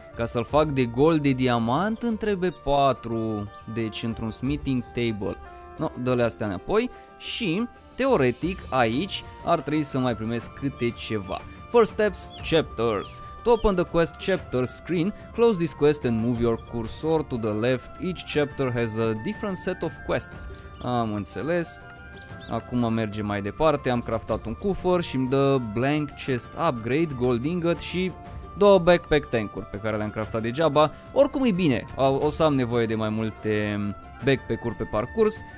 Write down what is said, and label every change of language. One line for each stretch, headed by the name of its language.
Romanian: Ca să-l fac de gold de diamant, îmi trebuie 4, deci într-un smithing table. No, dă-le astea înapoi și, teoretic, aici ar trebui să mai primesc câte ceva.
English: First steps, chapters. To open the quest chapter screen, close this quest and move your cursor to the left. Each chapter has a different set of quests.
Romanian: Am înțeles. Acum mergem mai departe, am craftat un cufăr și îmi dă blank chest upgrade, gold ingot și... două backpack tank-uri pe care le-am craftat degeaba. Oricum e bine, o să am nevoie de mai multe backpack-uri pe parcurs.